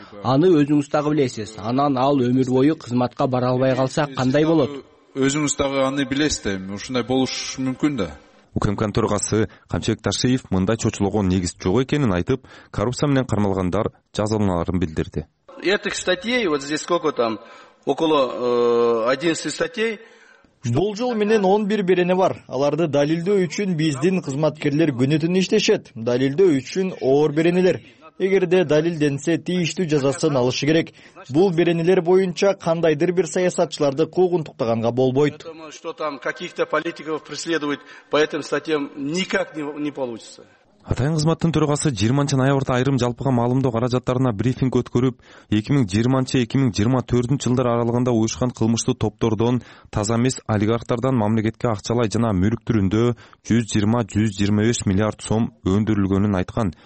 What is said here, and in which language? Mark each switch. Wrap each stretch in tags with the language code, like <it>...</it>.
<ky>Аны өзүңүз дагы билесиз. Анан ал өмүр бою кызматка бара албай калса кандай болот? Өзүңүз дагы аны билесиз да, ушундай болушу мүмкүн да. УКМКнын төрагасы Камчыбек Ташиев мындай чочулууга негиз жок экенин айтып, коррупция менен кармалгандар жазаланарын билдирди.</ky> <ru>Этих статей вот здесь сколько там около 11 статей.</ru> <ky>Болжол менен 11 берене бар. Аларды далилдөө үчүн биздин кызматкерлер күнү түнү иштешет. Далилдөө үчүн оор беренелер. Эгерде далилденсе тийиштүү жазасын алышы керек. Бул беренелер боюнча кандайдыр бир саясатчыларды куугунтуктаганга болбойт.</ky> <ru>Что там каких-то политиков преследуют по этим статьям никак не получится.</ru> <ky>Атайын кызматтын төрагасы 20 ноябрда айрым жалпыга маалымдоо каражаттарына брифинг өткөрүп, 2020-2024 жылдар аралыгында уюшкан кылмыштуу топтордон таза эмес олигархтардан мамлекетке акчалай жана мүлүк түрүндө 120-125 миллиард сом өндүрүлгөнүн айткан.</ky>